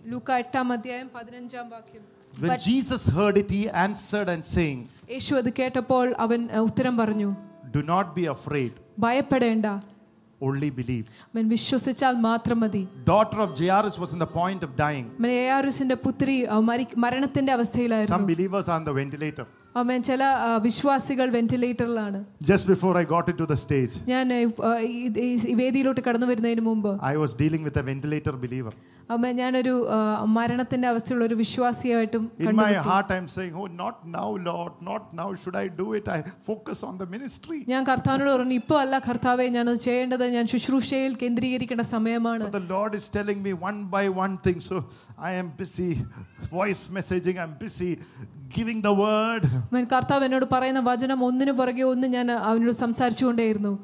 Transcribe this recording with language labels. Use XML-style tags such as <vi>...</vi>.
<ml>luke 8th adhyayam 15th vakyam</ml> <en>when jesus heard it he answered and saying</en> <ml>yeshu adu ketappol avan uttaram parnju</ml> <en>Do not be afraid.</en> <ml>ഭയപ്പെടേണ്ട.</ml> <en>Only believe.</en> <ml>മൻ വിശ്വസിച്ചാൽ മാത്രം മതി.</ml> <en>Daughter of JRS was in the point of dying.</en> <ml>മൻ ARS-ന്റെ പുത്രി മരണത്തിന്റെ അവസ്ഥയിലായിരുന്നു.</ml> <en>Some believers are on the ventilator.</en> <ml>Amen. ചില വിശ്വാസികൾ വെന്റിലേറ്ററിലാണ്.</ml> <en>Just before I got into the stage.</en> <ml>ഞാൻ ഈ വേദിയിലോട്ട് കടന്നു വരുന്നതിനു മുമ്പ്.</ml> <en>I was dealing with a ventilator believer. Amen.</en> <ml>ഞാൻ ഒരു മരണത്തിന്റെ അവസ്ഥയുള്ള ഒരു വിശ്വാസിയായിട്ടും കണ്ടു.</ml> <en>In my heart I'm saying, oh not now Lord, not now, should I do it? I focus on the ministry.</en> <ml>ഞാൻ കർത്താവിനോട് പറഞ്ഞു, ഇപ്പോ അല്ല കർത്താവേ ഞാൻ അത് ചെയ്യേണ്ടത്, ഞാൻ ശുശ്രൂഷയിൽ കേന്ദ്രീകരിക്കേണ്ട സമയമാണ്.</ml> <en>But the Lord is telling me one by one thing, so I am busy voice messaging, I'm busy giving the word.</en> <ml>When കർത്താവ് എന്നോട് പറയുന്ന വചനം ഒന്നിനു പുറകെ ഒന്ന് ഞാൻ അവനോട് സംസാരിച്ചുകൊണ്ടേയിരുന്നു.</ml>